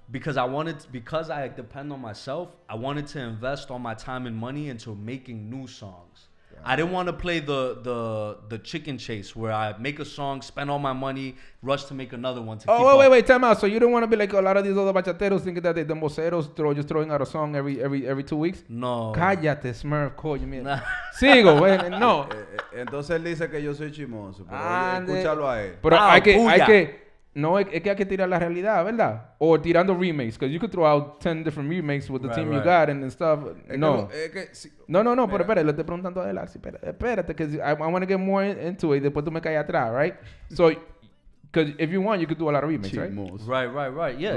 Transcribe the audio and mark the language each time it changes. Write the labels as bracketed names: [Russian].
[English] Because I depend on myself, I wanted to invest all my time and money into making new songs. I didn't want to play the chicken chase where I make a song, spend all my money, rush to make another one. Wait, time out. So you don't want to be like a lot of these other bachateros thinking that they're demboceros, just throwing out a song every 2 weeks? No. [Spanish] Cállate, Smurf, coño. Sigo, [English] wait, no. [Spanish] Entonces él dice que yo soy chimoso, pero escúchalo a él. Pero wow, hay que... No, es que hay que tirar la realidad, ¿verdad? O tirando [English] remakes, because you could throw out 10 different remakes with the team you got and stuff. No. [Spanish] No, pero espérate, lo estoy preguntando a Alci. Espérate, [English] because I want to get more into it, [Spanish] después tú me caes atrás, [English] right? So, because if you want, you could do a lot of remakes, right? Right, yeah.